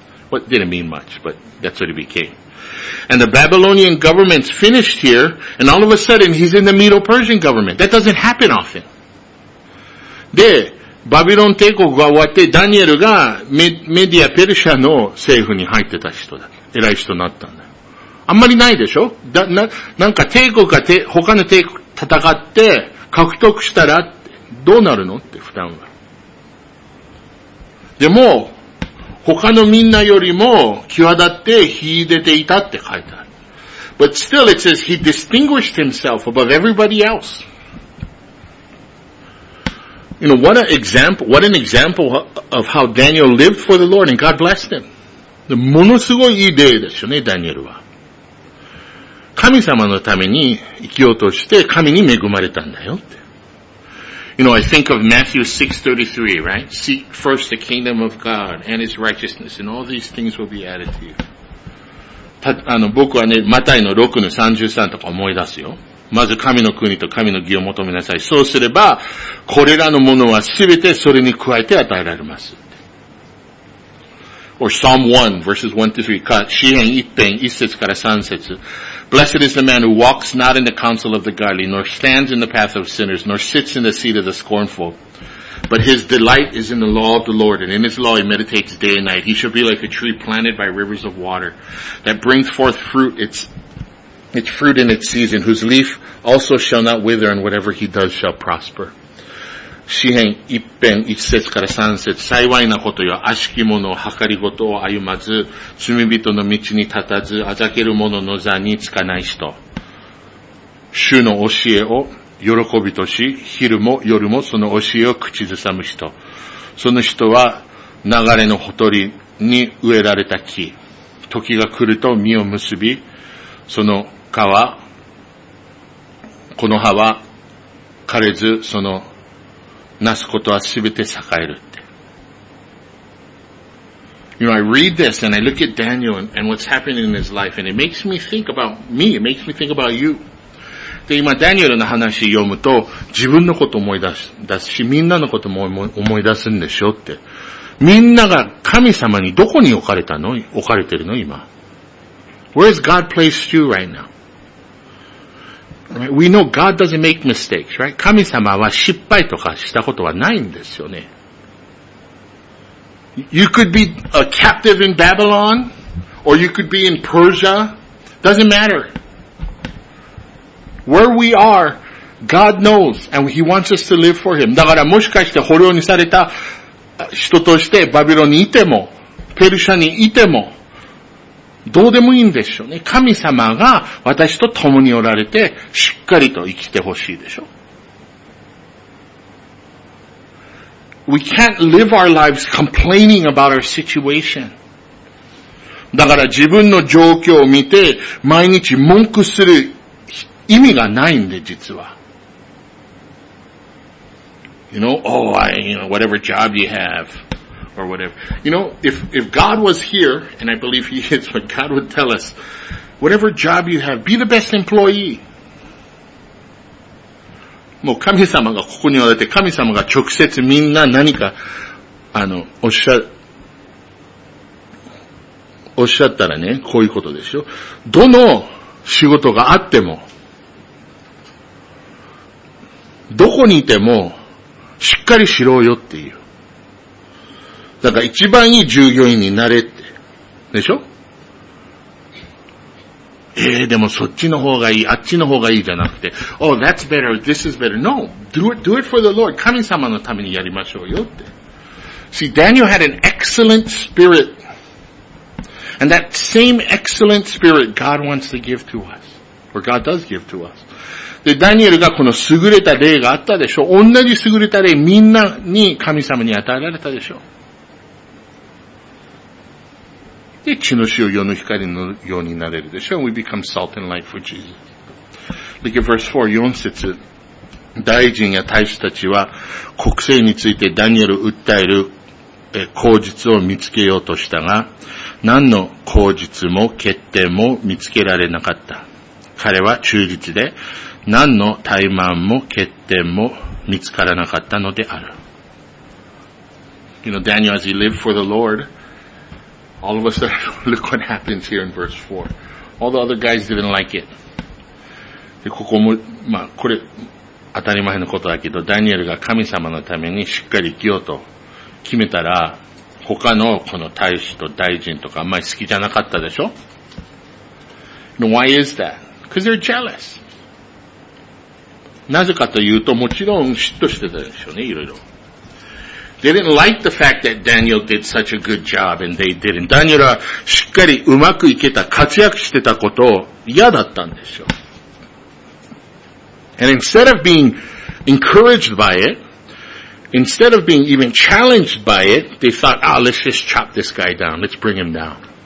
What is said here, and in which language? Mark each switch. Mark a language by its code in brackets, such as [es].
[en] What didn't mean much, but that's what he became. And the Babylonian government's finished here, and all of a sudden he's in the Medo-Persian government. That doesn't happen often. [ja] で、バビロン帝国が終わって、ダニエルがメディア・ペルシャの政府に入ってた人だ。偉い人になったんだよ。あんまりないでしょ? なんか帝国が他の帝国戦って獲得したらどうなるのって負担が。でも、他のみんなよりも際立って秀でていたって書いてある。 [en] But still it says he distinguished himself above everybody else. You know, what an example of how Daniel lived for the Lord and God blessed him. [ja] ものすごいいい例ですよね、ダニエルは。神様のために生きようとして神に恵まれたんだよって。 [en] You know, I think of Matthew 6:33, right? Seek first the kingdom of God and His righteousness, and all these things will be added to you. [ja] 僕はね、マタイの 6:33 とか思い出すよ。まず神の国と神の義を求めなさい。そうすれば、これらのものはすべてそれに加えて与えられます。 [en] Or Psalm 1, verses 1-3, [ja] 詩編1編1節から3節。 [en] Blessed is the man who walks not in the counsel of the godly, nor stands in the path of sinners, nor sits in the seat of the scornful. But his delight is in the law of the Lord, and in his law he meditates day and night. He shall be like a tree planted by rivers of water, that brings forth fruit, its fruit in its season, whose leaf also shall not wither, and whatever he does shall prosper. [ja] 詩編一編一節から三節。幸いなことよ。悪しき者を計りごとを歩まず、罪人の道に立たず、あざける者の座につかない人。主の教えを喜びとし、昼も夜もその教えを口ずさむ人。その人は流れのほとりに植えられた木。時が来ると実を結び、その果は、この葉は枯れず、そのなすことはすべて栄えるって。 [en] You know, I read this and I look at Daniel and what's happening in his life and it makes me think about me, it makes me think about you. [ja] で、今、ダニエルの話読むと、自分のこと思い出すし、みんなのことも思い出すんでしょって。みんなが神様にどこに置かれたの？置かれてるの？今。 [en] Where has God placed you right now? We know God doesn't make mistakes, right? [ja] 神様は失敗とかしたことはないんですよね。 [en] You could be a captive in Babylon, or you could be in Persia. Doesn't matter. Where we are, God knows, and He wants us to live for Him. [ja] だからもしかして捕虜にされた人としてバビロンにいても、ペルシャにいても、どうでもいいんでしょうね。神様が私と共におられて、しっかりと生きてほしいでしょう。 [en] We can't live our lives complaining about our situation. [ja] だから自分の状況を見て毎日文句する意味がないんで実は。 [en] You know, oh, I, you know, whatever job you have, or whatever. You know, if God was here, and I believe He is, but God would tell us, whatever job you have, be the best employee. [ja] もう神様がここにおられて、神様が直接みんな何か、おっしゃったらね、こういうことでしょ。どの仕事があっても、どこにいても、しっかりしろよっていう。だから一番いい従業員になれって。でしょ？でもそっちの方がいい、あっちの方がいいじゃなくて、 [en] Oh, that's better, this is better. No, do it for the Lord. [ja] 神様のためにやりましょうよって。 [en] See, Daniel had an excellent spirit. And that same excellent spirit God wants to give to us. Or God does give to us. [ja] で、ダニエルがこの優れた霊があったでしょ。同じ優れた霊みんなに神様に与えられたでしょ。で、血の塩、世の光のようになれるでしょ。 [en] We become salt and light for Jesus. Look at verse 4, 4節。 [ja] 大臣や大使たちは国政についてダニエルを訴える口実を見つけようとしたが、何の口実も決定も見つけられなかった。彼は忠実で、何の怠慢も欠点も見つからなかったのである。 [en] You know, Daniel, as he lived for the Lord, all of a sudden, look what happens here in verse 4. All the other guys didn't like it. [ja] で、ここも、まあ、これ、当たり前のことだけど、ダニエルが神様のためにしっかり生きようと決めたら、他のこの大使と大臣とかあんまり好きじゃなかったでしょ？ [en] Why is that? Because they're jealous. [ja] なぜかというと、もちろん嫉妬してたでしょうね、いろいろ。 [en] They didn't like the fact that Daniel did such a good job and they didn't. [ja] ダニエルはしっかりうまくいけた、活躍してたことを嫌だったんでしょう。 [en] And instead of being encouraged by it, instead of being even challenged by it, they thought, ah,、oh, let's just chop this guy down, let's bring him down.